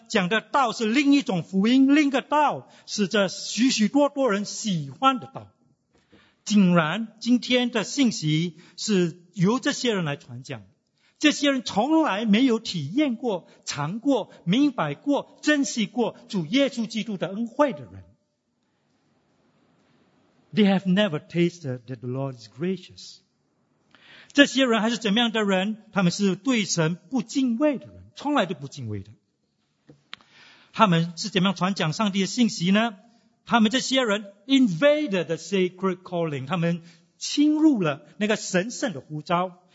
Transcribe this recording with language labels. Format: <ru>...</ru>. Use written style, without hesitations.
<zh>讲的道是另一种福音，另一个道是这许许多多人喜欢的道，竟然今天的信息是由这些人来传讲，这些人从来没有体验过、尝过、明白过、珍惜过主耶稣基督的恩惠的人。</zh> <en>They have never tasted that the Lord is gracious.</en> <zh>这些人还是怎么样的人？他们是对神不敬畏的人，从来都不敬畏的。他们是怎么样传讲上帝的信息呢？他们这些人</zh> <en>invaded the sacred calling，</en> <zh>他们侵入了那个神圣的呼召。</zh>